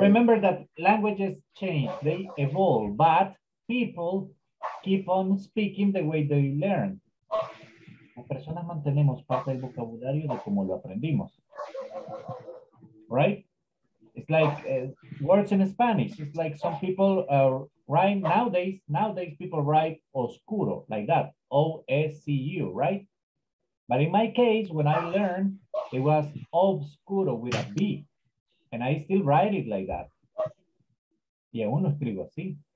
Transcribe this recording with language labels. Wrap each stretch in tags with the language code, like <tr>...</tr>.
<en>Remember that languages change, they evolve, but people keep on speaking the way they learn.</en> <es>Las personas mantenemos parte del vocabulario de como lo aprendimos.</es> <en>Right? It's like words in Spanish. It's like some people write nowadays people write oscuro, like that. O-S-C-U, right? But in my case, when I learned, it was obscuro with a B. And I still write it like that.</en> <es>Y aún lo escribo así.</es>